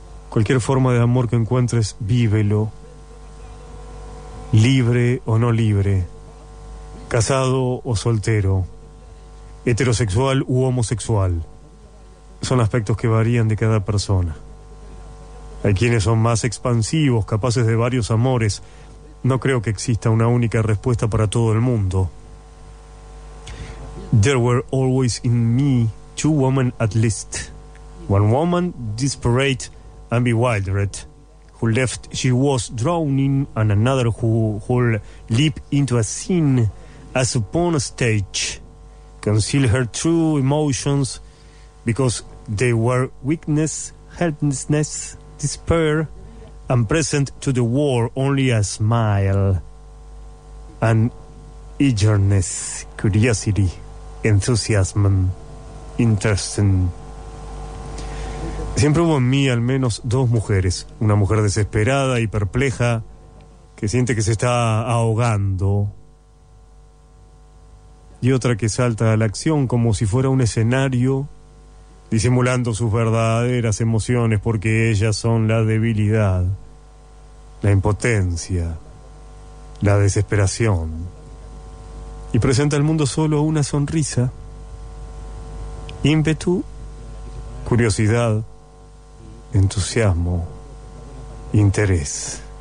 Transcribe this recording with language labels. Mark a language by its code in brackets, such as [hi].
[es] Cualquier forma de amor que encuentres, vívelo. Libre o no libre, casado o soltero, heterosexual u homosexual, son aspectos que varían de cada persona. Hay quienes son más expansivos, capaces de varios amores. No creo que exista una única respuesta para todo el mundo. [en] There were always in me two women at least. One woman, desperate and bewildered, who left she was drowning, and another who leap into a scene as upon a stage, conceal her true emotions because they were weakness, helplessness, despair, and present to the world only a smile, an eagerness, curiosity, enthusiasm, interest. [es] Siempre hubo en mí al menos dos mujeres, una mujer desesperada y perpleja que siente que se está ahogando, y otra que salta a la acción como si fuera un escenario, disimulando sus verdaderas emociones porque ellas son la debilidad, la impotencia, la desesperación, y presenta al mundo solo una sonrisa, ímpetu, curiosidad, entusiasmo, interés.